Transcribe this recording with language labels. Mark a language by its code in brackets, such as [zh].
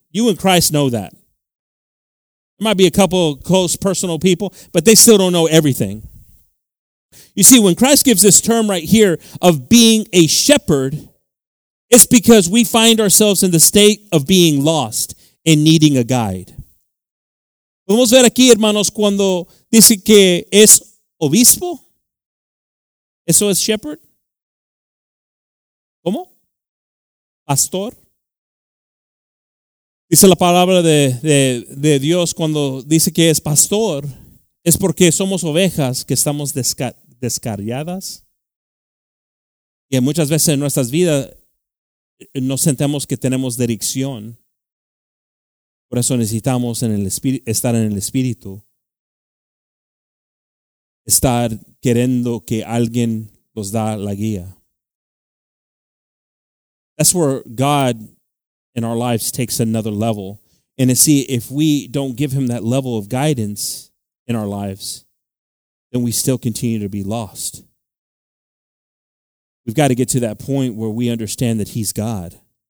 [en] You and Christ know that. There might be a couple of close personal people, but they still don't know everything. You see, when Christ gives this term right here of being a shepherd, it's because we find ourselves in the state of being lost and needing a guide. [es] Vamos a ver aquí, hermanos, cuando dice que es obispo. ¿Eso es shepherd? ¿Cómo? ¿Pastor? Dice la palabra de Dios cuando dice que es pastor, es porque somos ovejas que estamos descarriadas. Y muchas veces en nuestras vidas no sentemos que tenemos dirección. Por eso necesitamos estar en el Espíritu. Estar queriendo que alguien nos da la guía. [en] That's where God in our lives takes another level. And to see if we don't give him that level of guidance in our lives, then we still continue to be lost. We've got to get to that point where we understand that he's God.